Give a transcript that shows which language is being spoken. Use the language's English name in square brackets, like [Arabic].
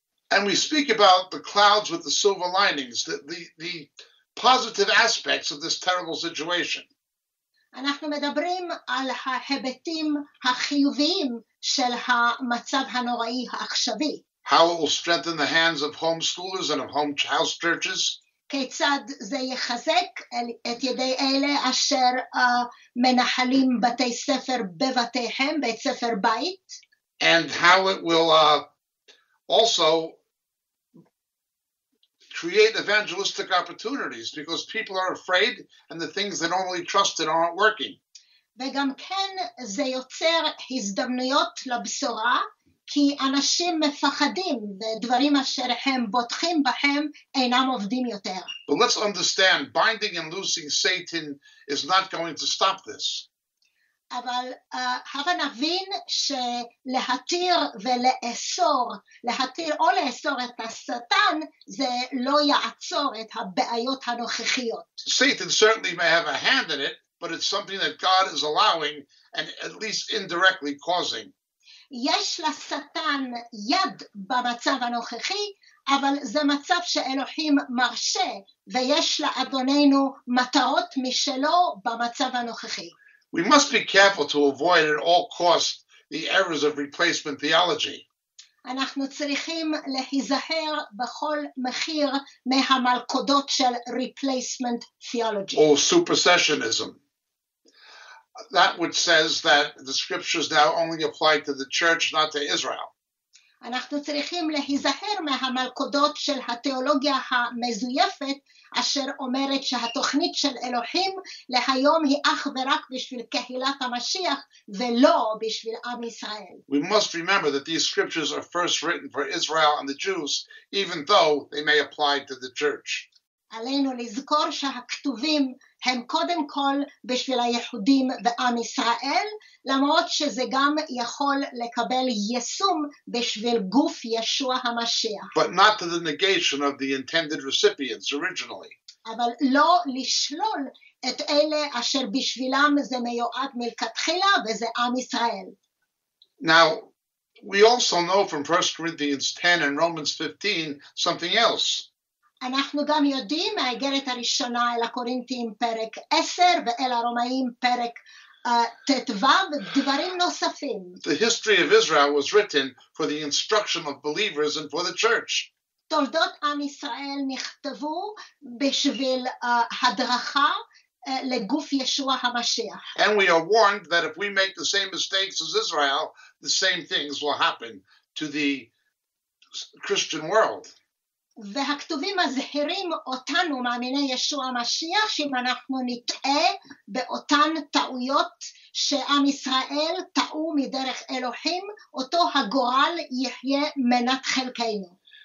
[English] And we speak about the clouds with the silver linings, the positive aspects of this terrible situation. [Hebrew] אנחנו מדברים על ההיבטים החיוביים של המצב הנוראי העכשווי. [English] How it will strengthen the hands of homeschoolers and of home house churches. [Hebrew] כיצד זה יחזק את ידי אלה אשר מנהלים בתי ספר בבתיהם, בית ספר בית. [English] And how it will also create evangelistic opportunities, because people are afraid and the things they normally trusted aren't working. [Hebrew] וגם כן זה יוצר הזדמנויות לבשורה, כי אנשים מפחדים ודברים אשר הם בוטחים בהם אינם עובדים יותר. [English] But let's understand, binding and loosing Satan is not going to stop this. [Hebrew] אבל הבה נבין שלהתיר ולאסור, להתיר או לאסור את השטן, זה לא יעצור את הבעיות הנוכחיות. [English] Satan certainly may have a hand in it, but it's something that God is allowing and at least indirectly causing. [Hebrew] יש לשטן יד במצב הנוכחי, אבל זה מצב שאלוהים מרשה, ויש לאדוננו מטעות משלו במצב הנוכחי. [English] We must be careful to avoid at all costs the errors of replacement theology. [Hebrew] אנחנו צריכים להיזהר בכל מחיר מהמלכודות של [English] replacement theology. Or supersessionism. That which says that the scriptures now only apply to the church, not to Israel. [Hebrew] אנחנו צריכים להיזהר מהמלכודות של התיאולוגיה המזויפת אשר אומרת שהתוכנית של אלוהים להיום היא אך ורק בשביל קהילת המשיח ולא בשביל עם ישראל. [English] We must remember that these scriptures are first written for Israel and the Jews, even though they may apply to the church. [Hebrew] עלינו לזכור שהכתובים הם קודם כל בשביל היהודים ועם ישראל, למרות שזה גם יכול לקבל יישום בשביל גוף ישוע המשיח. [English] But not to the negation of the intended recipients originally. [Hebrew] אבל לא לשלול את אלה אשר בשבילם זה מיועד מלכתחילה וזה עם ישראל. [English] Now, we also know from 1 Corinthians 10 and Romans 15 something else. [Hebrew] אנחנו גם יודעים מהאיגרת הראשונה אל הקורינתים פרק 10 ואל הרומאים פרק ט"ו דברים נוספים. [English] The history of Israel was written for the instruction of believers and for the church. [Hebrew] תולדות עם ישראל נכתבו בשביל הדרכה לגוף ישוע המשיח. [English] And we are warned that if we make the same mistakes as Israel, the same things will happen to the Christian world. [Hebrew] והכתובים מזהירים אותנו מאמיני ישוע המשיח שאם אנחנו נטעה באותן טעויות שעם ישראל טעו מדרך אלוהים, אותו הגורל יחיה מנת חלקנו.